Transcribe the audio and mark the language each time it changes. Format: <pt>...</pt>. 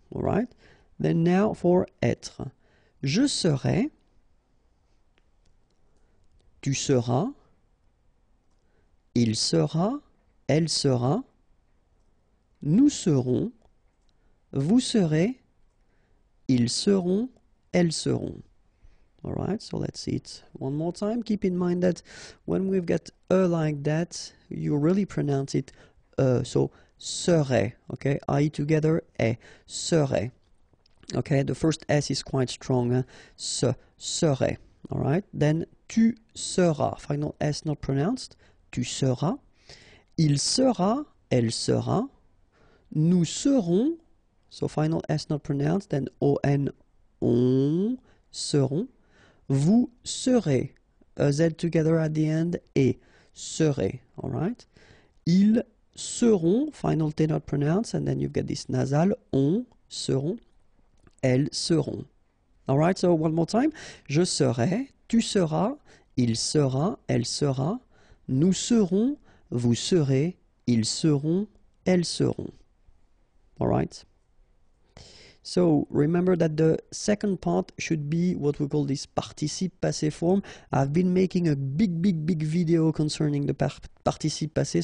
<en>Alright, then now for être.</en> <fr>Je serai, tu seras, il sera, elle sera, nous serons, vous serez, ils seront, elles seront.</fr> <en>All right, so let's see it one more time. Keep in mind that when we've got a like that, you really pronounce it so serait, okay? I together, eh, serait. Okay, the first S is quite strong, se, serait. All right, then</en> <fr>tu seras,</fr> <en>final S not pronounced, tu seras.</en> <fr>Il sera, elle sera. Nous serons,</fr> <en>so final S not pronounced, then on, on, seront. Vous serez, a Z together at the end,</en> <fr>et serez,</fr> <en>all right?</en> <fr>Ils seront,</fr> <en>final T not pronounced, and then you've got this nasal, on,</en> <fr>seront, elles seront.</fr> <en>All right, so one more time.</en> <fr>Je serai, tu seras, il sera, elle sera, nous serons, vous serez, ils seront, elles seront.</fr> <en>All right? So, remember that the second part should be what we call this participe passé form. I've been making a big, big, big video concerning the participe passé.</en>